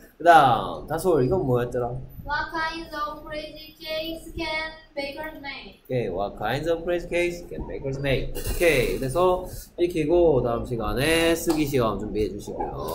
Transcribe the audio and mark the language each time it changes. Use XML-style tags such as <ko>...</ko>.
<ko>그 다음 다솔 이건 뭐였더라?</ko> <en>What kinds of crazy cakes can bakers make? Okay, what kinds of crazy cakes can bakers make?</en> <ko>Okay, 그래서 익히고 다음 시간에 쓰기 시험 준비해 주시고요.</ko>